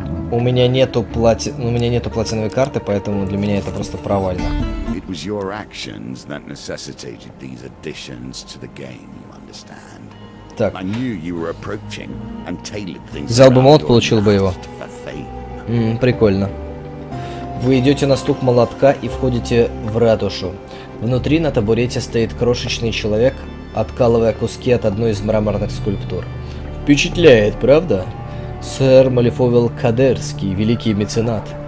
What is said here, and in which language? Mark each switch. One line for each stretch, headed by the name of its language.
Russian: У меня нету платиновой карты, поэтому для меня это просто провально.
English: It was your actions that necessitated these additions to the game, you understand?
Russian: Так.
English: I knew you were approaching and tailored things.
Russian: Взял бы молот, получил бы его. Прикольно. Вы идете на стук молотка и входите в ратушу. Внутри на табурете стоит крошечный человек, откалывая куски от одной из мраморных скульптур. Впечатляет, правда? Сэр Малифовил Кадерский, великий меценат.